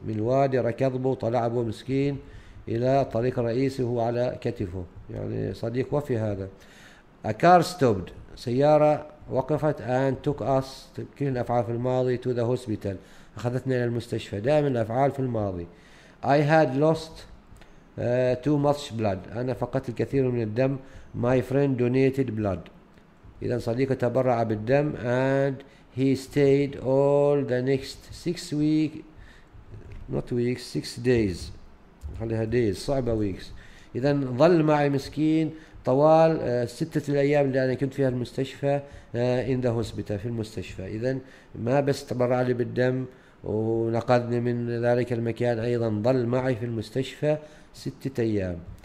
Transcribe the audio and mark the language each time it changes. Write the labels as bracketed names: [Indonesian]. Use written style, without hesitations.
[Arabic] من الوادي ركض به طلع به مسكين إلى الطريق الرئيسي هو على كتفه. يعني صديق وفي هذا. [English] A car stopped. [Arabic] سيارة وقفت. [English] And took us. [Arabic] كل الأفعال في الماضي. [English] To the hospital. [Arabic] أخذتنا إلى المستشفى. دائما الأفعال في الماضي. [English] I had lost too much blood. [Arabic] أنا فقدت الكثير من الدم. [English] My friend donated blood. [Arabic] إذا صديقي تبرع بالدم. [English] And he stayed all the next six weeks. Not weeks. Six days. [Arabic] خليها days صعبة weeks. إذا ظل معي مسكين طوال ستة الأيام اللي أنا كنت فيها المستشفى [English] in the hospital [Arabic] في المستشفى. إذا ما بس تبرع لي بالدم ونقذني من ذلك المكان أيضا ظل معي في المستشفى ستة أيام.